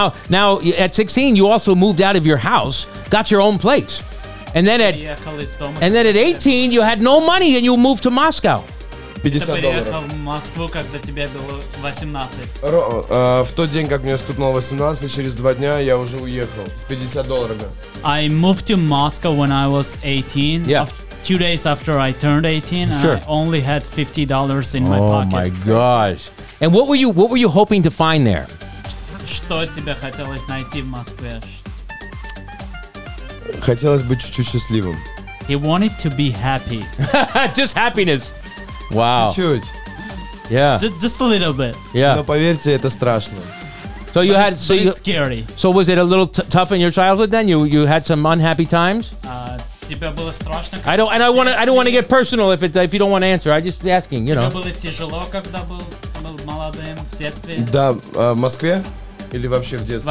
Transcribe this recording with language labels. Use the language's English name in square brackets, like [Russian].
[English] Now at 16 you also moved out of your house, got your own place. And then at 18, you had no money and you moved to Moscow. $50. [Russian] В тот день, как мне стукнуло 18, через два дня я уже уехал с $50. [English] I moved to Moscow when I was 18. Yeah. 2 days after I turned 18, sure. I only had $50 in my pocket. Oh my gosh. And what were you hoping to find there? [Russian] Что тебе хотелось найти в Москве? Хотелось быть чуть-чуть счастливым. [English] He wanted to be happy. Just happiness. Wow. [Russian] Чуть-чуть. [English] Yeah. Just a little bit. Yeah. [Russian] Но поверьте, это страшно. [English] So you had so it's scary. So was it a little tough in your childhood then? You had some unhappy times? I don't want to get personal if you don't want to answer. I'm just asking, you know. [Russian] Когда был молодым в детстве? Да, в Москве или вообще в детстве?